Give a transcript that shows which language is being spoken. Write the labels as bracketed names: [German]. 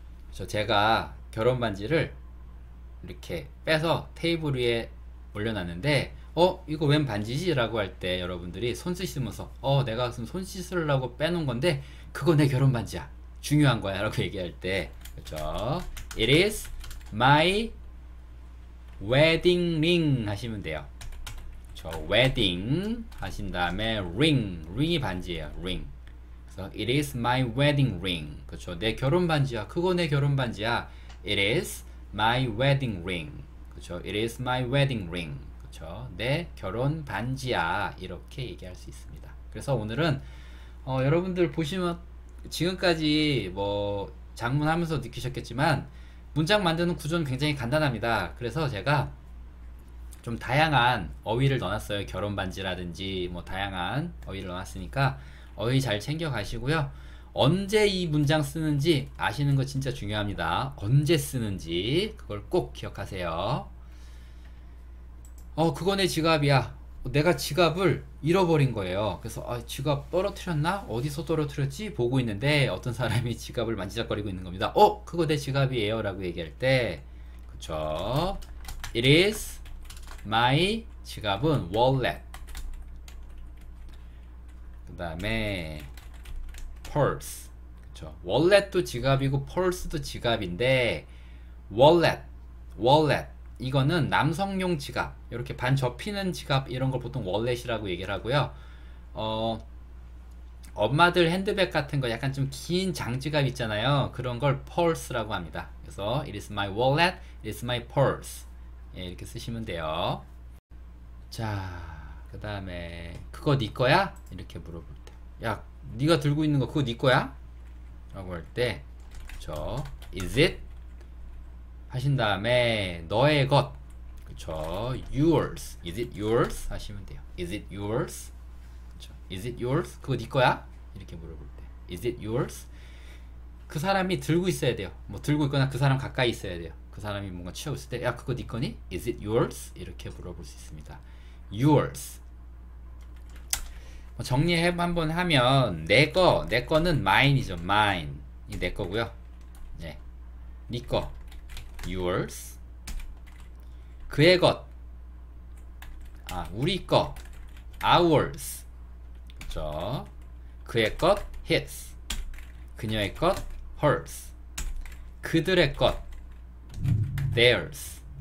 [Korean] 그쵸? 제가 결혼 반지를 이렇게 빼서 테이블 위에 올려놨는데 이거 웬 반지지? 라고 할때 여러분들이 손 씻으면서 내가 지금 손 씻으려고 빼놓은 건데 그거 내 결혼 반지야. 중요한 거야. 라고 얘기할 때 그렇죠. [English] It is my wedding ring [Korean] 하시면 돼요. 저 웨딩 하신 다음에 ring이 반지예요. ring. 그래서 [English] It is my wedding ring. [Korean] 그렇죠. 내 결혼 반지야. 그거 내 결혼 반지야. [English] It is my wedding ring. [Korean] 그렇죠. [English] It is my wedding ring. [Korean] 내 결혼 반지야. 이렇게 얘기할 수 있습니다. 그래서 오늘은 여러분들 보시면 지금까지 뭐 작문하면서 느끼셨겠지만 문장 만드는 구조는 굉장히 간단합니다. 그래서 제가 좀 다양한 어휘를 넣어놨어요. 결혼 반지라든지 뭐 다양한 어휘를 넣어놨으니까 어휘 잘 챙겨 가시고요. 언제 이 문장 쓰는지 아시는 거 진짜 중요합니다. 언제 쓰는지 그걸 꼭 기억하세요. 그거 내 지갑이야. 내가 지갑을 잃어버린 거예요. 그래서 지갑 떨어뜨렸나? 어디서 떨어뜨렸지? 보고 있는데 어떤 사람이 지갑을 만지작거리고 있는 겁니다. 그거 내 지갑이에요. 라고 얘기할 때 그쵸. [English] It is my [Korean] 지갑은 [English] wallet. [Korean] 그 다음에 purse. 그쵸. wallet도 지갑이고 purse도 지갑인데 wallet. 이거는 남성용 지갑, 이렇게 반 접히는 지갑 이런 걸 보통 월렛이라고 얘기를 하고요. 엄마들 핸드백 같은 거 약간 좀긴 장지갑 있잖아요. 그런 걸 펄스라고 합니다. 그래서 [English] It is my wallet, It is my purse. [Korean] 예, 이렇게 쓰시면 돼요. 자, 그 다음에 그거 네 거야? 이렇게 물어볼 때, 야, 네가 들고 있는 거 그거 네 거야? 라고 할 때, 저 [English] Is it? [Korean] 하신 다음에 너의 것, 그쵸? [English] Yours, is it yours? [Korean] 하시면 돼요. [English] Is it yours? 그쵸? Is it yours? [Korean] 그거 네 거야? 이렇게 물어볼 때, [English] is it yours? [Korean] 그 사람이 들고 있어야 돼요. 뭐 들고 있거나 그 사람 가까이 있어야 돼요. 그 사람이 뭔가 취하고 있을 때, 야, 그거 네 거니? [English] Is it yours? [Korean] 이렇게 물어볼 수 있습니다. [English] Yours. [Korean] 뭐 정리해 한번 하면 내 거, 내 거는 mine이죠. Mine. 이게 내 거고요. 네, 네 거. Yours. 그의 것. 아, 우리 거. Ours. 그렇죠? 그의 것. His. 그녀의 것. Hers. 그들의 것. Theirs.